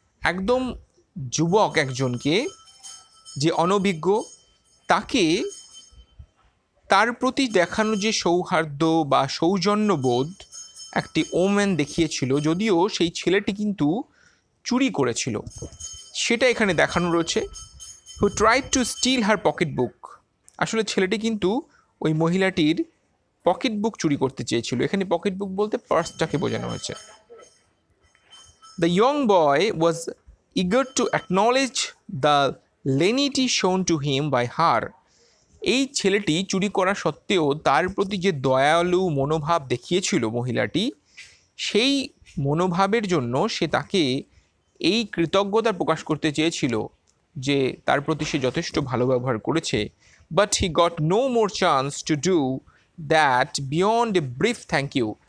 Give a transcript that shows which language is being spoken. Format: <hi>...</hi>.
<bn>একদম যুবক একজনকে, যে অনভিজ্ঞ, তাকে তার প্রতি দেখানো যে সৌহার্দ্য বা সৌজন্যবোধ একটি ওম্যান দেখিয়েছিল, যদিও সেই ছেলেটি কিন্তু চুরি করেছিল, সেটা এখানে দেখানো রয়েছে।</bn> <en>Who tried to steal her pocket book.</en> <bn>আসলে ছেলেটি কিন্তু ওই মহিলাটির পকেট বুক চুরি করতে চেয়েছিল। এখানে পকেট বুক বলতে পার্সটাকে বোঝানো হয়েছে।</bn> <en>The young boy was eager to acknowledge the lenity shown to him by her.</en> <bn>এই ছেলেটি চুরি করা সত্ত্বেও তার প্রতি যে দয়ালু মনোভাব দেখিয়েছিল মহিলাটি, সেই মনোভাবের জন্য সে তাকে এই কৃতজ্ঞতা প্রকাশ করতে চেয়েছিল যে তার প্রতি সে যথেষ্ট ভালো ব্যবহার করেছে।</bn> <en>But he got no more chance to do that beyond a brief thank you.</en>